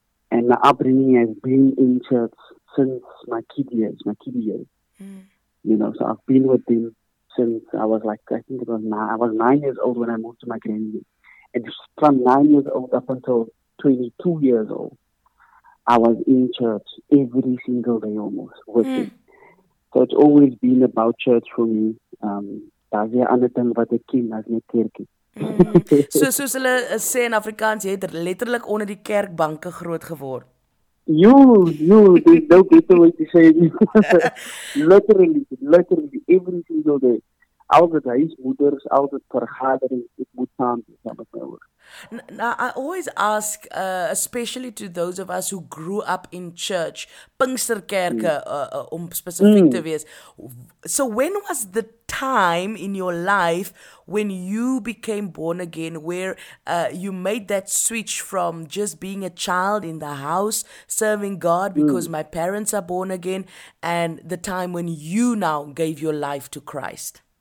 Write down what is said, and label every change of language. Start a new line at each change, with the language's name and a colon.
English: And my upbringing has been in church since my kid years, You know, so I've been with them since I was like, I think it was nine. I was 9 years old when I moved to my granny. And from 9 years old up until 22 years old, I was in church every single day almost with them. So it's always been about church for me.
Afrikaans: Daar is anything wat ek ken as net kerkie. Soos hulle sê in Afrikaans, jy het letterlik onder die kerkbanke groot geword.
English: Jo, there's no better way to say it. literally, every single day.
Afrikaans: Altijd huismoeders, altijd vergadering, ek moet saam met my ouders.
English: Now, I always ask, especially to those of us who grew up in church, Pinksterkerke,
Afrikaans: om specific to wees.
English: So when was the time in your life when you became born again, where you made that switch from just being a child in the house, serving God because my parents are born again, and the time when you now gave your life to Christ?